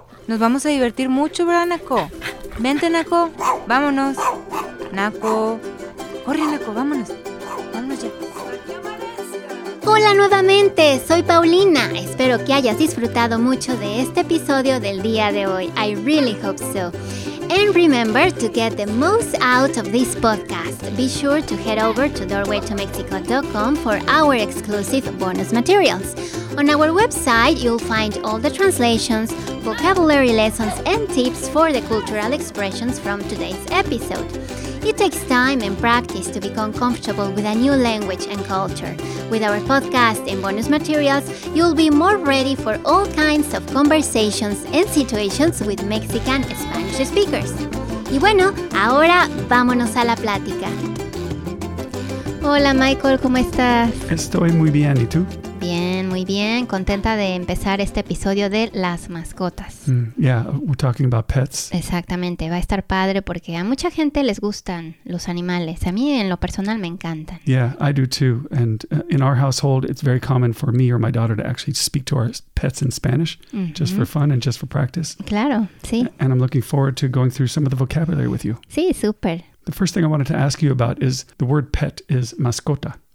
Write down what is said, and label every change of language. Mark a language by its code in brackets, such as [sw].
[es] Nos vamos a divertir mucho, ¿verdad, Nako? Vente, Nako. Vámonos. Nako. Corre, Nako, vámonos. Vámonos ya. Hola nuevamente, soy Paulina. Espero que hayas disfrutado mucho de este episodio del día de hoy. [en] I really hope so. And remember to get the most out of this podcast. Be sure to head over to doorwaytomexico.com for our exclusive bonus materials. On our website, you'll find all the translations, vocabulary lessons, and tips for the cultural expressions from today's episode. It takes time and practice to become comfortable with a new language and culture. With our podcast and bonus materials, you'll be more ready for all kinds of conversations and situations with Mexican Spanish speakers. [es] Y bueno, ahora vámonos a la plática. Hola Michael, ¿cómo estás? Estoy muy bien, ¿y tú? Bien, muy bien. Contenta de empezar este episodio de las mascotas. [en] Yeah, we're talking about pets. [es] Exactamente. Va a estar padre porque a mucha gente les gustan los animales. A mí, en lo personal, me encantan. [en] Yeah, I do too. And in our household, it's very common for me or my daughter to actually speak to our pets in Spanish, just for fun and just for practice. [es] Claro, sí. [en] And I'm looking forward to going through some of the vocabulary with you. [es] Sí, súper. [en] The first thing I wanted to ask you about is the word pet is mascota.